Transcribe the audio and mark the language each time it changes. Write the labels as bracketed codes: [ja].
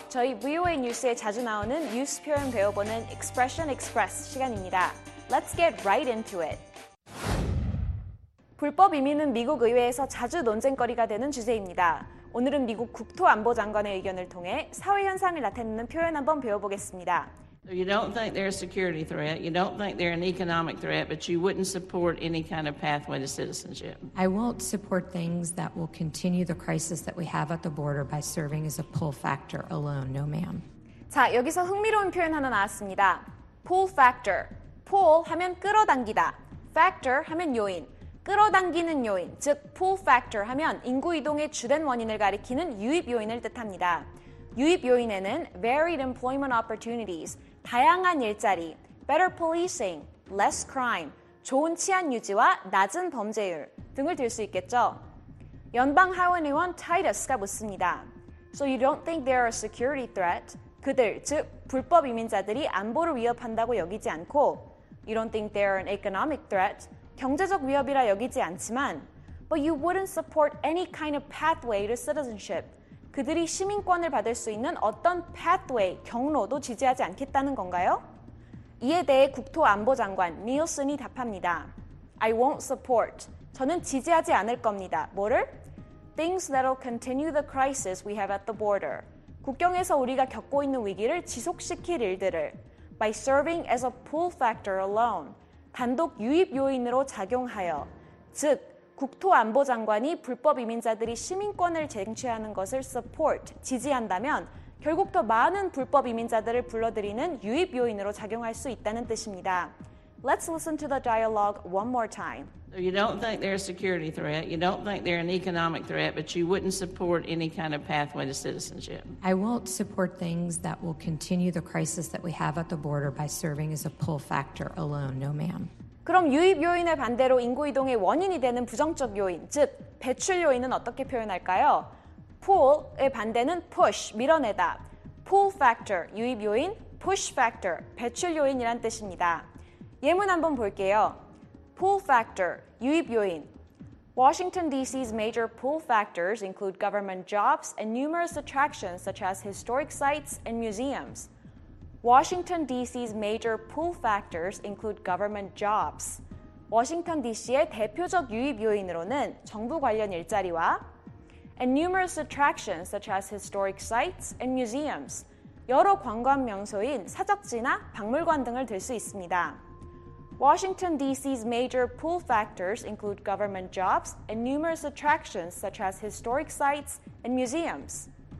[ko] 저희 VOA 뉴스에 자주 나오는 뉴스 표현 배워보는 익스프레션 익스프레스 시간입니다. [en] Let's get right into it. [ko] 불법 이민은 미국 의회에서 자주 논쟁거리가 되는 주제입니다. 오늘은 미국 국토안보장관의 의견을 통해 사회현상을 나타내는 표현 한번 배워보겠습니다. [en] You don't think they're a security threat. You don't think they're an economic threat, but you wouldn't support any kind of pathway to citizenship. I won't support things that will continue the crisis that we have at the border by serving as a pull factor alone. No, ma'am. [ko] 자, 여기서 흥미로운 표현 하나 나왔습니다. Pull factor. Pull 하면 끌어당기다. Factor 하면 요인. 끌어당기는 요인, 즉 pull factor 하면 인구 이동의 주된 원인을 가리키는 유입 요인을 뜻합니다. 유입 요인에는 [en] varied employment opportunities, [ko] 다양한 일자리, [en] better policing, less crime, [ko] 좋은 치안 유지와 낮은 범죄율 등을 들 수 있겠죠. 연방 하원 의원 타이러스가 묻습니다. [en] So you don't think they are a security threat? [ko] 그들, 즉 불법 이민자들이 안보를 위협한다고 여기지 않고 [en] You don't think they are an economic threat? [ko] 경제적 위협이라 여기지 않지만 [en] But you wouldn't support any kind of pathway to citizenship. [ko] 그들이 시민권을 받을 수 있는 어떤 pathway, 경로도 지지하지 않겠다는 건가요? 이에 대해 국토안보장관 니엘슨이 답합니다. [en] I won't support. [ko] 저는 지지하지 않을 겁니다. 뭐를? [en] Things that will continue the crisis we have at the border. [ko] 국경에서 우리가 겪고 있는 위기를 지속시킬 일들을 [en] by serving as a pull factor alone. [ko] 단독 유입 요인으로 작용하여 즉 국토안보장관이 불법 이민자들이 시민권을 쟁취하는 것을 support, 지지한다면 결국 더 많은 불법 이민자들을 불러들이는 유입 요인으로 작용할 수 있다는 뜻입니다. [en] Let's listen to the dialogue one more time. You don't think they're a security threat. You don't think they're an economic threat, but you wouldn't support any kind of pathway to citizenship. I won't support things that will continue the crisis that we have at the border by serving as a pull factor alone. No, ma'am. [ko] 그럼 유입 요인의 반대로 인구 이동의 원인이 되는 부정적 요인, 즉 배출 요인은 어떻게 표현할까요? Pull의 반대는 push, 밀어내다. Pull factor, 유입 요인, push factor, 배출 요인이란 뜻입니다. 예문 한번 볼게요. Pull factor, 유입 요인. [en] Washington, D.C.'s major pull factors include government jobs and numerous attractions such as historic sites and museums. Washington, D.C.'s major pull factors include government jobs. [ko] Washington, D.C.의 대표적 유입 요인으로는 정부 관련 일자리와 [en] and numerous attractions such as historic sites and museums. [ko] 여러 관광 명소인 사적지나 박물관 등을 들 수 있습니다. [en] Washington, D.C.'s major pull factors include government jobs and numerous attractions such as historic sites and museums.